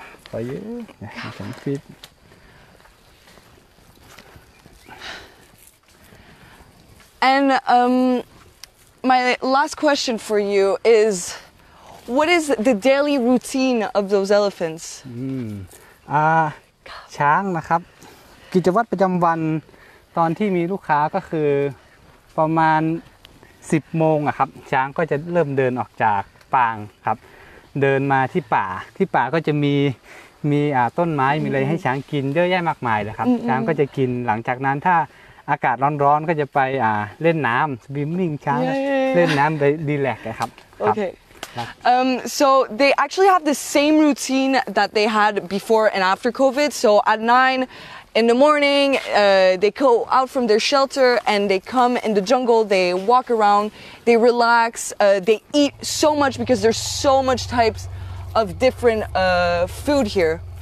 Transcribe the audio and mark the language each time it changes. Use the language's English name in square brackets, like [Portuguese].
[English] For you, yeah, you can fit. And my last question for you is, what is the daily routine of those elephants? [Thai] ช้างนะครับกิจวัตรประจำวันตอนที่มีลูกค้าก็คือประมาณ10โมงอ่ะครับช้างก็จะเริ่มเดินออกจากปางครับเดินมาที่ป่าที่ป่าก็จะมีต้นไม้มีอะไรให้ช้างกินเยอะแยะมากมายเลยครับช้างก็จะกินหลังจากนั้นถ้าอากาศร้อนๆก็จะไปเล่นน้ำสวิมมิ่งช้างเล่นน้ำไปรีแลกซ์ครับ [English] โอเค so they actually have the same routine that they had before and after COVID. So at 9 in the morning, they go out from their shelter and they come in the jungle, they walk around, they relax, they eat so much because there's so much types of different food here.